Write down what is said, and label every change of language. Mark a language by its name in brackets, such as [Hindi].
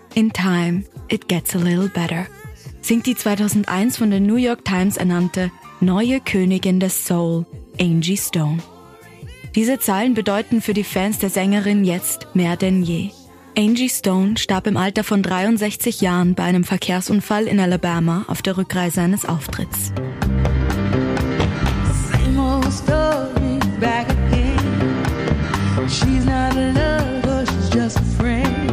[English] In time, it gets a little better. [German] Singt die 2001 von der New York Times ernannte neue Königin des Soul, Angie Stone. Diese Zeilen bedeuten für die Fans der Sängerin jetzt mehr denn je. Angie Stone starb im Alter von 63 Jahren bei einem Verkehrsunfall in Alabama auf der Rückreise eines Auftritts. [English] Same old story back again. She's not a lover, she's just a friend.